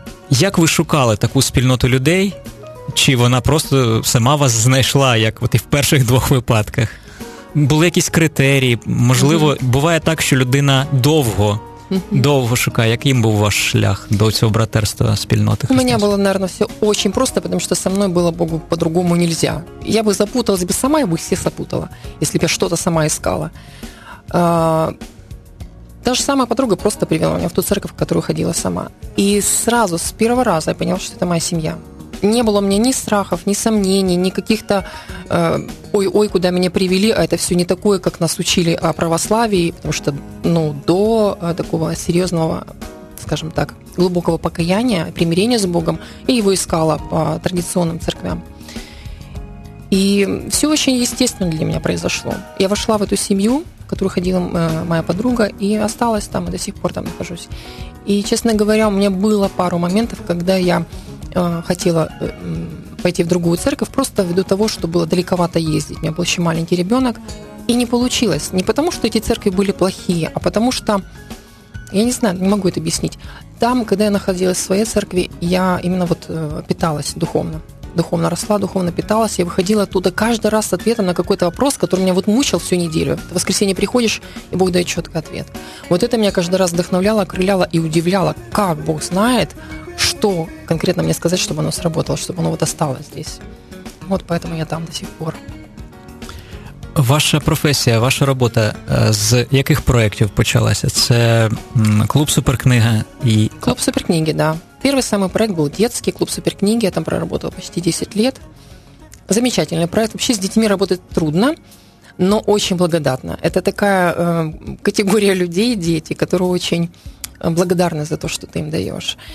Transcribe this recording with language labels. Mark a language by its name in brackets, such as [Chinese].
[Ukrainian] Як ви шукали таку спільноту людей, чи вона просто сама вас знайшла, як от і в перших двох випадках? Були якісь критерії? Можливо, буває так, що людина довго Довго шукає. Яким був ваш шлях до цього братерства спільноти? У мене було, мабуть, все дуже просто, тому що зі мною було Богу по-другому не можна. Я би запуталась би сама, я би всіх запутала, якщо б я щось сама искала. Та ж сама подруга просто привела мене в ту церковь, в яку ходила сама. І сразу, з першого разу я поняла, що це моя сім'я. Не було в мене ні страхів, ні сумнень, ні каких-то ой-ой, куди мене привели, а це все не таке, як нас учили о православії, тому що, ну, до такого серйозного, скажімо так, глибокого покаяння, примирення з Богом, я його искала по традиційним церквям. І все дуже естественно для мене произошло. [Russian] Я вошла в эту сім'ю, в которую ходила моя подруга, и осталась там, и до сих пор там нахожусь. И, честно говоря, у меня было пару моментов, когда я хотела пойти в другую церковь, просто ввиду того, что было далековато ездить. У меня был еще маленький ребенок, и не получилось. Не потому, что эти церкви были плохие, а потому что, я не знаю, не могу это объяснить. Там, когда я находилась в своей церкви, я именно вот питалась духовно. Духовно росла, духовно питалась. Я выходила оттуда каждый раз с ответом на какой-то вопрос, который меня вот мучил всю неделю. В воскресенье приходишь, и Бог дает четкий ответ. Вот это меня каждый раз вдохновляло, окрыляло и удивляло, как Бог знает, что конкретно мне сказать, чтобы оно сработало, чтобы оно вот осталось здесь. Вот поэтому я там до сих пор. [Ukrainian] Ваша професія, ваша робота, з яких проєктів почалася? Це клуб «Суперкнига» і... [Russian] Клуб «Суперкниги», да. Первый самый проект был детский, клуб «Суперкниги». Я там проработала почти 10 лет. Замечательный проект. Вообще с детьми работать трудно, но очень благодатно. Это такая категория людей, дети, которые очень благодарны за то, что ты им даешь.